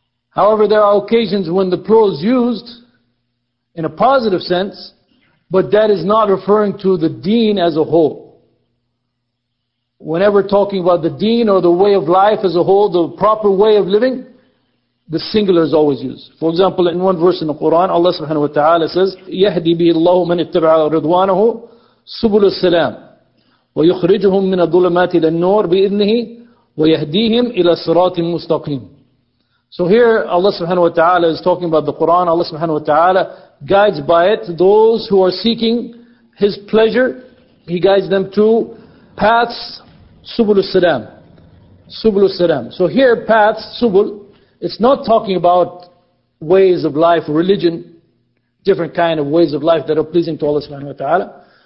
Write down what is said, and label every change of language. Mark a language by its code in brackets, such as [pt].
[en] However, there are occasions when the plural is used in a positive sense, but that is not referring to the deen as a whole. Whenever talking about the deen or the way of life as a whole, the proper way of living, the singular is always used. For example, in one verse in the Quran, Allah subhanahu wa ta'ala says, [ar] يَهْدِي بِهِ اللَّهُ مَنِ اتَّبْعَ رِضْوَانَهُ سُبُلُ السَّلَامِ وَيُخْرِجُهُمْ مِنَ الظُّلَمَاتِ إِلَى النُّورِ بِإِذْنِهِ وَيَهْدِيهِمْ إِلَى صِرَاطٍ مُسْتَقِيمٍ. [en] So here Allah subhanahu wa ta'ala is talking about the Quran. Allah subhanahu wa ta'ala guides by it those who are seeking His pleasure. He guides them to paths, subul salam. Subul salam. So here paths, subul, it's not talking about ways of life, religion, different kind of ways of life that are pleasing to Allah subhanahu wa ta'ala.